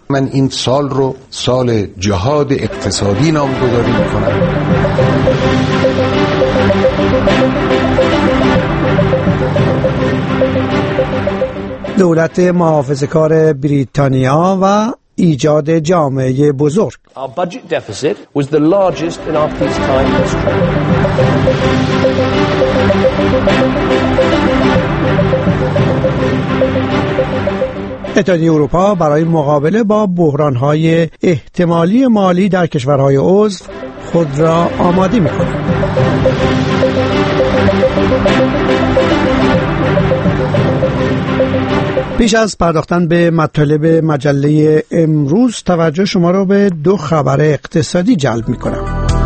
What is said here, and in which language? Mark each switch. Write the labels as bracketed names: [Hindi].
[Persian] من این سال رو سال جهاد اقتصادی نامگذاری میکنم. دولت محافظه‌کار بریتانیا و ایجاد جامعه بزرگ. [English] Our budget deficit was the largest in our peacetime history. [Persian] اتحادیه اروپا برای مقابله با بحران‌های احتمالی مالی در کشورهای عضو خود را آماده می‌کند. پیش از پرداختن به مطالب مجله امروز، توجه شما را به دو خبر اقتصادی جلب می کنم.